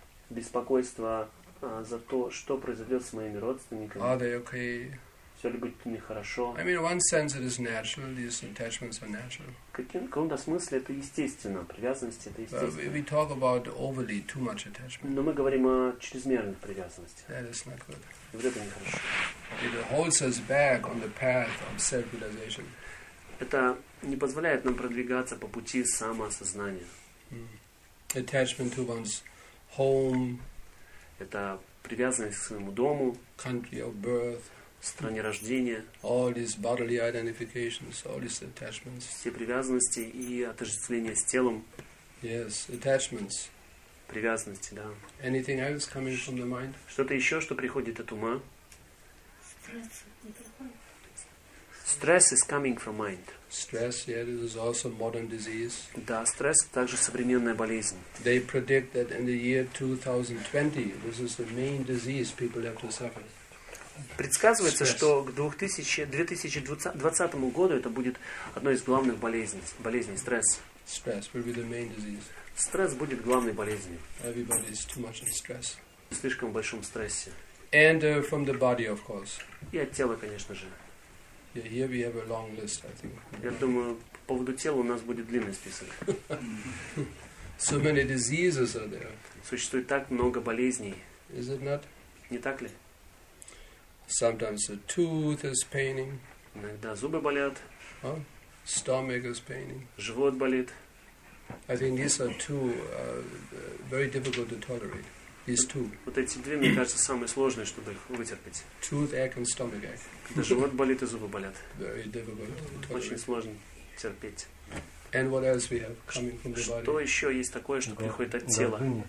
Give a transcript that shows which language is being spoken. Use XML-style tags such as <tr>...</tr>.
<ru>Беспокойство за то, что произойдет с моими родственниками.</ru> <en>Are they okay?</en> <ru>Все ли будет нехорошо?</ru> <en>I mean, in one sense it is natural. These attachments are natural.</en> <ru>Каком-то смысле это естественно. Привязанности это естественно.</ru> <en>We talk about overly, too much attachment.</en> <ru>Но мы говорим о чрезмерных привязанностях.</ru> <en>That is not good.</en> <ru>И вот это нехорошо.</ru> <en>It holds us back on the path of self-realization.</en> <ru>Это не позволяет нам продвигаться по пути самоосознания.</ru> <en>Attachment to one's home.</en> <ru>Это привязанность к своему дому.</ru> <en>Country of birth.</en> <ru>Стране рождения.</ru> <en>All these bodily identifications, all these attachments.</en> <ru>Все привязанности и отождествления с телом.</ru> <en>Yes, attachments.</en> <ru>Привязанности, да.</ru> <en>Anything else coming from the mind?</en> <ru>Что-то еще, что приходит от ума? Стресс.</ru> <en>Stress is coming from mind. Stress, yeah, this is also modern disease.</en> <ru>Да, стресс также современная болезнь.</ru> <en>They predict that in the year 2020, this is the main disease people have to suffer.</en> <ru>Предсказывается, что к 2020 году это будет одной из главных болезней стресс.</ru> <en>Stress will be the main disease.</en> <ru>Стресс будет главной болезнью.</ru> <en>Everybody is too much in stress.</en> <ru>Слишком в большом стрессе.</ru> <en>And from the body, of course.</en> <ru>И от тела, конечно же.</ru> <en>Yeah, here we have a long list, I think.</en> <ru>Я думаю, по поводу тела у нас будет длинный список.</ru> <en>So many diseases are there.</en> <ru>Существует так много болезней.</ru> <en>Is it not?</en> <ru>Не так ли?</ru> <en>Sometimes the tooth is paining.</en> <ru>Иногда зубы болят.</ru> <en>Stomach is paining.</en> <ru>Живот болит.</ru> <en>I think these are two very difficult to tolerate. These two.</en> <ru>Вот эти две, мне кажется, самые сложные, чтобы их вытерпеть.</ru> <en>Toothache and stomach ache.</en> <ru>Когда живот болит и зубы болят.</ru> <en>Very difficult to tolerate.</en> <ru>Очень сложно терпеть.</ru> <en>And what else we have coming from the body?</en> <ru>Что еще есть такое, что приходит от тела?</ru>